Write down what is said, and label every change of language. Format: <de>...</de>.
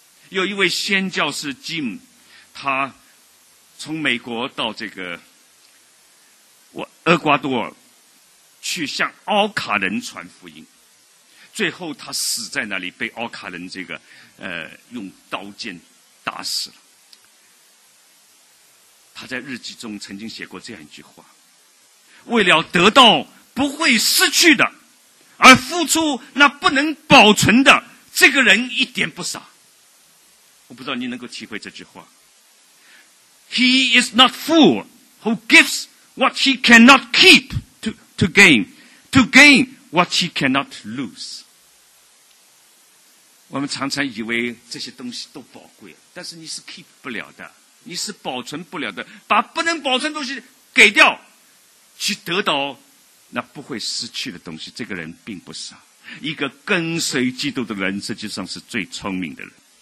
<zh>有一位宣教士 Jim， 他从美国到这个厄瓜多尔去向奥卡人传福音，最后他死在那里，被奥卡人这个用刀剑打死了。他在日记中曾经写过这样一句话，为了得到不会失去的而付出那不能保存的，这个人一点不傻。我不知道你能够体会这句话，</zh> <en>He is not fool who gives what he cannot keep to gain what he cannot lose。</en> <zh>我们常常以为这些东西都宝贵，但是你是 keep 不了的，你是保存不了的，把不能保存的东西给掉，去得到那不会失去的东西，这个人并不傻。一个跟随基督的人实际上是最聪明的人。</zh>